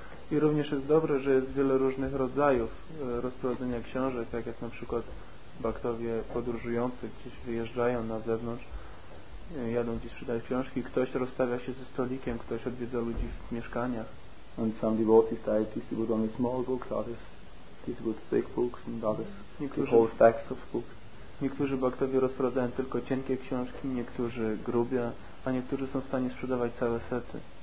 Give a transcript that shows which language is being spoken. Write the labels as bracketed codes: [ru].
[pl] I również jest dobre, że jest wiele różnych rodzajów rozprowadzenia książek, tak jak na przykład bhaktowie podróżujący gdzieś wyjeżdżają na zewnątrz, jadą gdzieś sprzedać książki, ktoś rozstawia się ze stolikiem, ktoś odwiedza ludzi w mieszkaniach. [en] And some devotees they distribute only small books, others distribute big books and others whole stacks of books. [pl] Niektórzy bhaktowie rozprowadzają tylko cienkie książki, niektórzy grubie, a niektórzy są w stanie sprzedawać całe sety.